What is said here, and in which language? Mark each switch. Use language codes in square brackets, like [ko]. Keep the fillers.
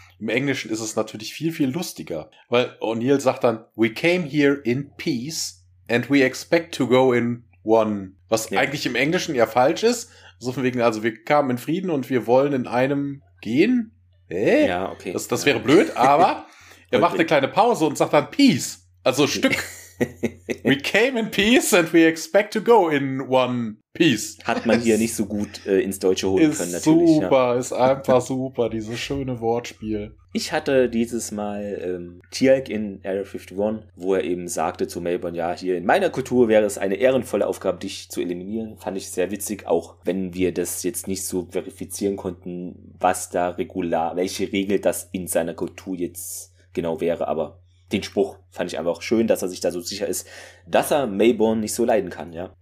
[de] Im Englischen ist es natürlich viel, viel lustiger, weil O'Neill sagt dann, [en] we came here in peace and we expect to go in one. [de] Was Ja. eigentlich im Englischen ja falsch ist. So von wegen, also wir kamen in Frieden und wir wollen in einem gehen. Hä? Ja, okay. Das, das Ja. wäre blöd, aber er Wollte- macht eine kleine Pause und sagt dann Peace. Also Stück. [en] We came in peace and we expect to go in one piece. [de] Hat man hier nicht so gut äh, ins Deutsche holen können, Ist natürlich. Ja. super, ist einfach super, dieses schöne Wortspiel. Ich hatte dieses Mal ähm, Tjalk in Area 51, wo er eben sagte zu Melbourne, ja, hier in meiner Kultur wäre es eine ehrenvolle Aufgabe, dich zu eliminieren. Fand ich sehr witzig, auch wenn wir das jetzt nicht so verifizieren konnten, was da regular, welche Regel das in seiner Kultur jetzt genau wäre, aber den Spruch fand ich einfach schön, dass er sich da so sicher ist, dass er Mayborn nicht so leiden kann, ja.